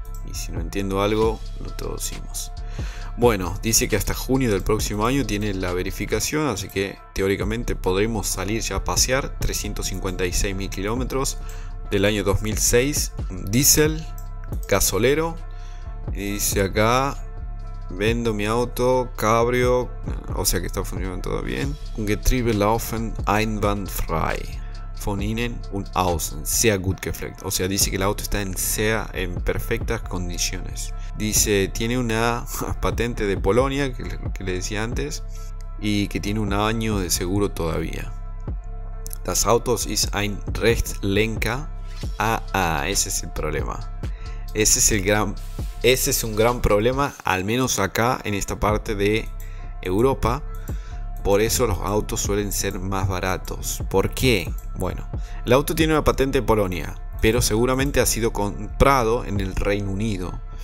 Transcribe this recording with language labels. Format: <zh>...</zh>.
<es>Y si no entiendo algo, lo traducimos. Bueno, dice que hasta junio del próximo año tiene la verificación, así que teóricamente podremos salir ya a pasear. 356.000 kilómetros del año 2006. Diesel, gasolero. Y dice acá, vendo mi auto, cabrio, o sea que está funcionando todo bien.</es> <de>Getriebe laufen einwandfrei. Von innen und außen, sehr gut gepflegt.</de> <es>O sea, dice que el auto está en perfectas condiciones. Dice, tiene una patente de Polonia, que le decía antes, y que tiene un año de seguro todavía.</es> <de>Das Auto ist ein Rechtslenker.</de> <es>Ese es el problema. Ese es un gran problema, al menos acá, en esta parte de Europa. Por eso los autos suelen ser más baratos. ¿Por qué? Bueno, el auto tiene una patente en Polonia, pero seguramente ha sido comprado en el Reino Unido.</es>